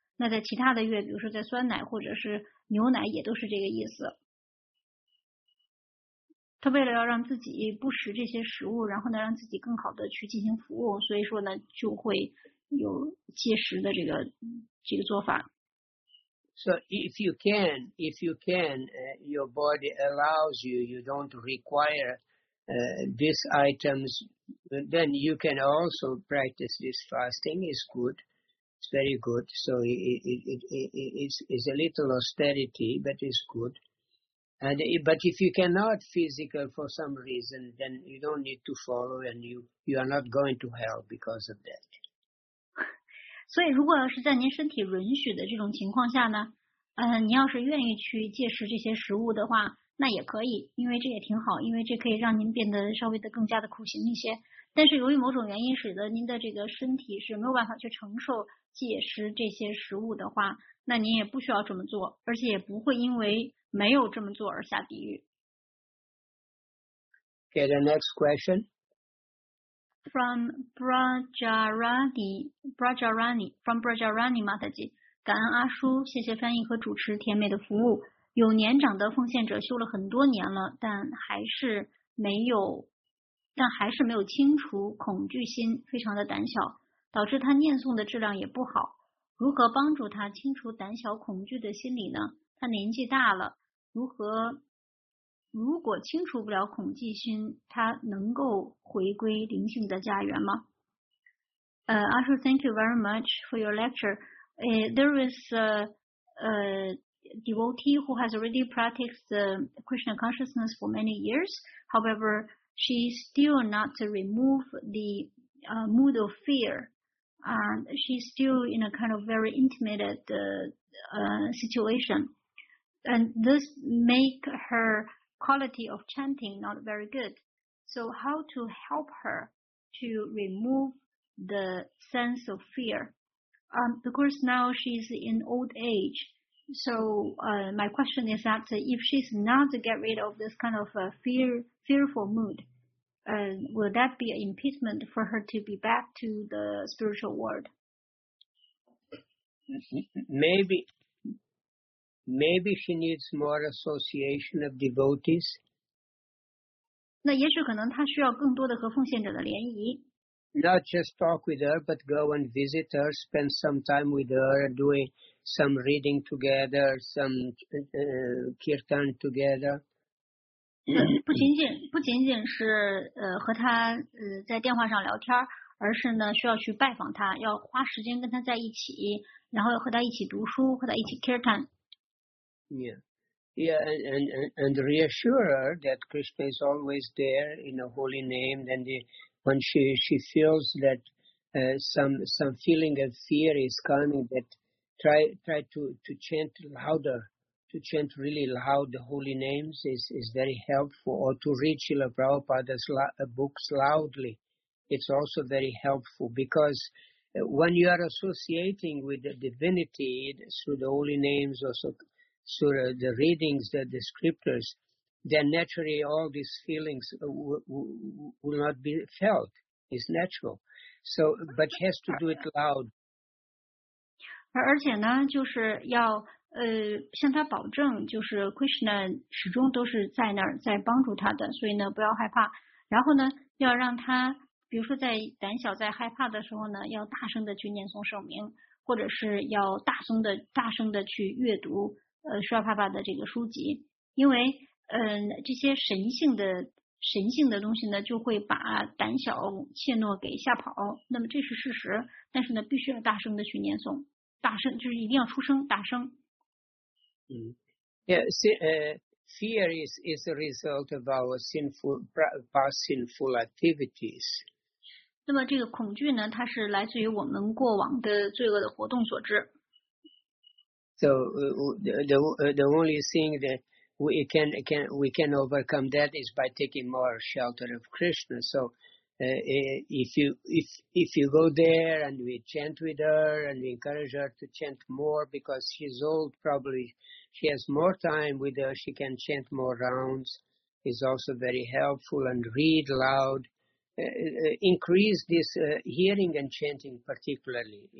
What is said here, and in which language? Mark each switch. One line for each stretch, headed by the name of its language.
Chinese: 那在其他的月，比如说在酸奶或者是牛奶，也都是这个意思，他为了要让自己不食这些食物，然后呢让自己更好的去进行服务，所以说呢就会有戒食的这个做法。
English: So if you can, your body allows you, you don't require these items, then you can also practice this fasting. It's good. It's very good. So it's a little austerity, but it's good. But if you cannot physical for some reason, then you don't need to follow and you are not going to hell because of that.
Chinese: 所以如果要是在您身体允许的这种情况下呢？你要是愿意去戒食这些食物的话，那也可以，因为这也挺好，因为这可以让您变得稍微的更加的苦行一些。但是由于某种原因使得您的这个身体是没有办法去承受戒食这些食物的话，那您也不需要这么做，而且也不会因为没有这么做而下地狱。
English: Okay, the next question. From Brajarani, Brajarani, from Brajarani Mataji.
Chinese: 感恩阿叔，谢谢翻译和主持甜美的服务。有年长的奉献者修了很多年了，但还是没有清除恐惧心，非常的胆小，导致他念诵的质量也不好。如何帮助他清除胆小恐惧的心理呢？他年纪大了，如果清除不了恐惧心，他能够回归灵性的家园吗？
English: 阿叔 ，Thank you very much for your lecture. There is a devotee who has already practiced the Krishna consciousness for many years. However, she still not to remove the mood of fear. And she's still in a kind of very intimate situation. And this make her quality of chanting not very good. So how to help her to remove the sense of fear? Because now she's in old age, so my question is that if she's not to get rid of this kind of fearful mood, will that be an impediment for her to be back to the spiritual world? Maybe she needs more association of devotees.
Chinese: 那也许可能她需要更多的和奉献者的联谊。
English: Not just talk with her, but go and visit her, spend some time with her, doing some reading together, some kirtan together.
Chinese: 不仅仅是和他在电话上聊天，而是呢需要去拜访他，要花时间跟他在一起，然后和他一起读书，和他一起 kirtan.
English: Yeah, and reassure her that Krishna is always there in the holy name, and the,When she feels that some feeling of fear is coming, that try to chant louder, to chant really loud the holy names is very helpful, or to read Srila Prabhupada's books loudly. It's also very helpful, because when you are associating with the divinity through the holy names, also through the readings, the scriptures,then naturally all these feelings will not be felt. It's natural. So, but she has to do it loud.
Chinese: 而且呢，就是要向他保证，就是 Krishna 始终都是在那儿在帮助他的，所以呢不要害怕。然后呢，要让他比如说在胆小在害怕的时候呢，要大声的去念诵圣名，或者是要大声的去阅读Shri Prabhupada的这个书籍，因为这些神性的东西呢，就会把胆小怯懦给吓跑，那么这是事实。但是呢，必须要大声的去念诵，大声就是一定要出声，大声。
English: 嗯 ，Yeah, see, fear is a result of our sinful past sinful activities.
Chinese: 那么这个恐惧呢，它是来自于我们过往的罪恶的活动所致。
English: So the only thing that we can overcome that is by taking more shelter of Krishna. So if you go there and we chant with her and we encourage her to chant more because she's old, probably she has more time with her, she can chant more rounds, is also very helpful, and read loud, increase this hearing and chanting particularly.